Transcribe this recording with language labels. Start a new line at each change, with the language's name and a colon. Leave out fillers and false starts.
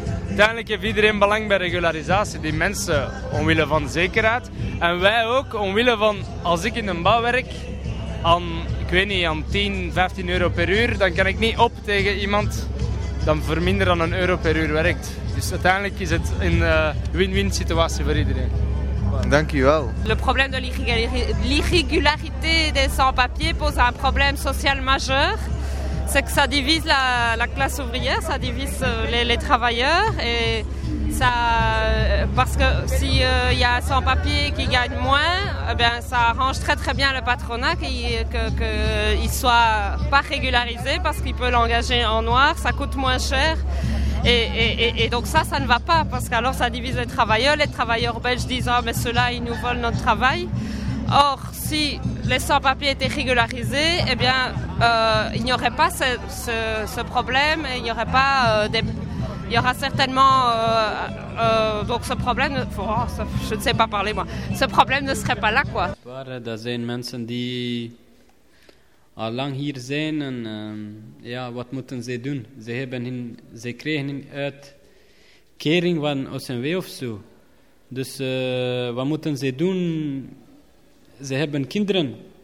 Dutch: Uiteindelijk heeft iedereen belang bij regularisatie, die mensen omwille van zekerheid. En wij ook, omwille van, als ik in een bouw werk, aan 10, 15 euro per uur, dan kan ik niet op tegen iemand dat voor minder dan een euro per uur werkt. Dus uiteindelijk is het een win-win situatie voor iedereen. Dankjewel.
French: Le problème de l'irrégularité des sans-papiers pose un problème social majeur. C'est que ça divise la classe ouvrière, ça divise les travailleurs. Et ça, parce que si y a un sans-papier qui gagne moins, eh bien, ça arrange très très bien le patronat qu'il ne soit pas régularisé parce qu'il peut l'engager en noir, ça coûte moins cher. Et donc ça ne va pas, parce qu'alors ça divise les travailleurs. Les travailleurs belges disent « Ah, mais ceux-là, ils nous volent notre travail ». Or, si les sans-papiers étaient régularisés, eh bien, il n'y aurait pas ce problème. Il y aurait pas il y aura certainement... donc ce problème... je ne sais pas parler, moi. Ce problème ne serait pas là, quoi. Il y a des gens qui
Dutch: al lang hier zijn en wat moeten ze doen? Ze kregen een uitkering van OCMW of zo. Dus wat moeten ze doen? Ze hebben kinderen.